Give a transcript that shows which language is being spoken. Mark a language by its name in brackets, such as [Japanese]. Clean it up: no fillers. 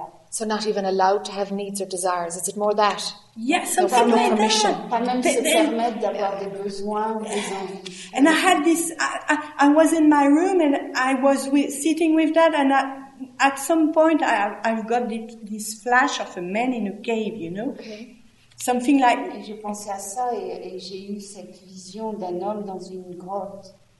[English] So not even allowed to have needs or desires. Is it more that? Yes, something like that. [French] Pas même se permettre d'avoir des besoins, des envies. [English] And I had this. I was in my room and I was sitting with that. And at some point, I've got this flash of a man in a cave. You know, okay. Something like. [French] Et je pensais à ça et j'ai eu cette vision d'un homme dans une grotte.